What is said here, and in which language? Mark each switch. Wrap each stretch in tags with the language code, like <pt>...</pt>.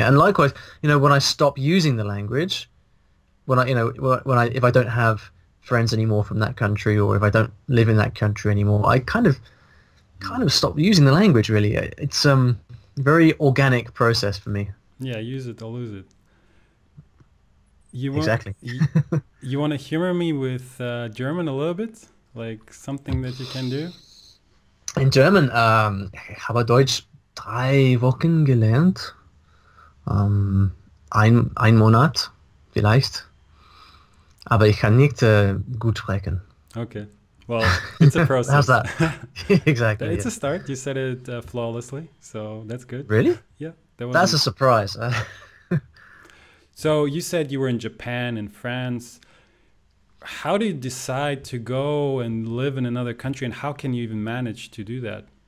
<en>And likewise, you know, when I stop using the language, if I don't have friends anymore from that country, or if I don't live in that country anymore, I kind of stop using the language. Really, it's very organic process for me. Yeah, use it or lose it. Exactly. you want to humor me with German a little bit? Like something that you can do? In German,</en> <de>ich habe Deutsch 3 Wochen gelernt. Ein Monat, vielleicht. Aber ich kann nicht gut sprechen.</de> <en>Okay. Well, it's a process. How's that? Exactly. It's a start. You said it flawlessly, so that's good. Really? Yeah. That's a surprise. So you said you were in Japan and France. How do you decide to go and live in another country, and how can you even manage to do that?</en>